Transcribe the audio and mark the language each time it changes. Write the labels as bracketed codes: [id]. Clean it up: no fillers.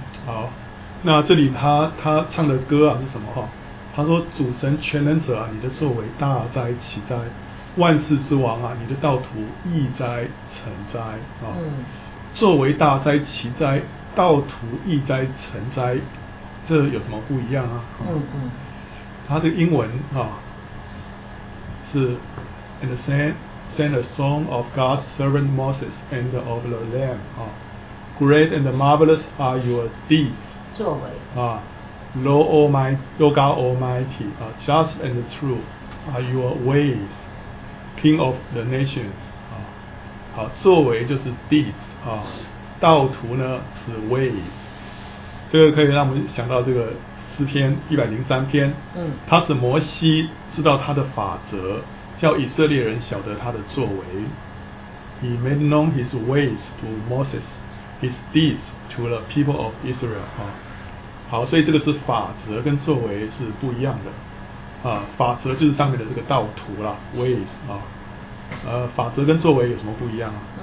[zh] 好，那这里他唱的歌啊是什么话？他说主神全能者啊，你的作为大哉其哉，万世之王啊，你的道途易哉成哉啊，作为大哉其哉，道途易哉成哉，这有什么不一样啊？嗯嗯，它的英文啊是 [en] And send the song of God's servant Moses and of the Lamb 啊 Great and marvelous are your deeds [zh] 作为 [en] 啊 Lord Almighty, Lord God Almighty 啊 Just and true are your ways King of the nations [zh] 啊好，作为就是 [en] deeds [zh] 啊，道途呢是 [en] ways。 [zh] 这个可以让我们想到这个诗篇103篇，他使摩西知道他的法则，叫以色列人晓得他的作为。 [en] He made known his ways to Moses, his deeds to the people of Israel。 [zh] 好，所以这个是法则跟作为是不一样的，法则就是上面的这个道途啦， ways。法则跟作为有什么不一样啊？